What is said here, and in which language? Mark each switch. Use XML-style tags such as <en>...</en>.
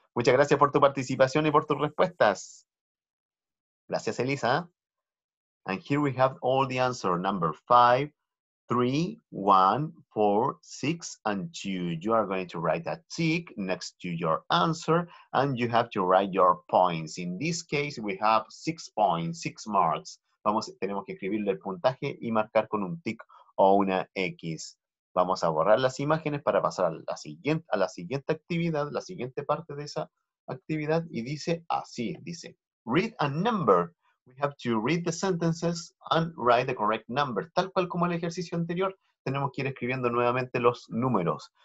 <es>Muchas gracias por tu participación y por tus respuestas. Gracias, Elisa.</es> <en>And here we have all the answer. Number five, three, one, four, six, and two. You are going to write a tick next to your answer, and you have to write your points. In this case, we have 6 points, 6 marks.</en> <es>Tenemos que escribirle el puntaje y marcar con un tick o una X. Vamos a borrar las imágenes para pasar a la siguiente actividad, la siguiente parte de esa actividad, y dice así, dice,</es> <en>read a number. We have to read the sentences and write the correct number.</en> <es>Tal cual como el ejercicio anterior, tenemos que ir escribiendo nuevamente los números.</es>